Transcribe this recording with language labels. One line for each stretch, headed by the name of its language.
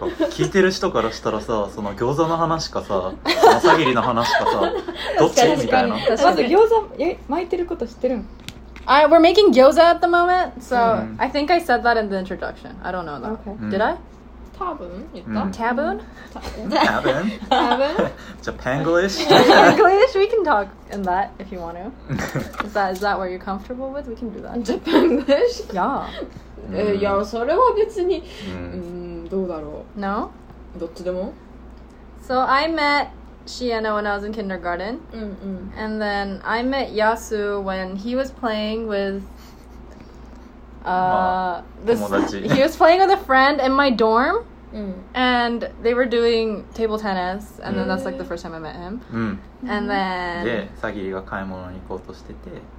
Japanese: 聞いてる人からしたらさ、その餃子の話かさ、マサギリの話かさ、どっちみたいな。まず餃子、巻いてること知ってるん?
English: We're making gyoza at the moment, so I think I said that in the introduction. I don't know though. Okay. Did I?
Japanese: Tabun? Tabun? Tabun?
English: Japanglish? Japanglish? We can talk in that if you want to. Is that what you're comfortable with? We can do that. Japanglish? Yeah.
Japanese: Yeah, それは別に… どうだろう?
English: No?
Japanese: どっちでも?
English: So I met… Shiana when I was in kindergarten. And then I met Yasu when he was playing with he was playing with a friend in my dorm. And they were doing table tennis. And then that's like the first time I met him. And then
Japanese: で、サギリが買い物に行こうとしてて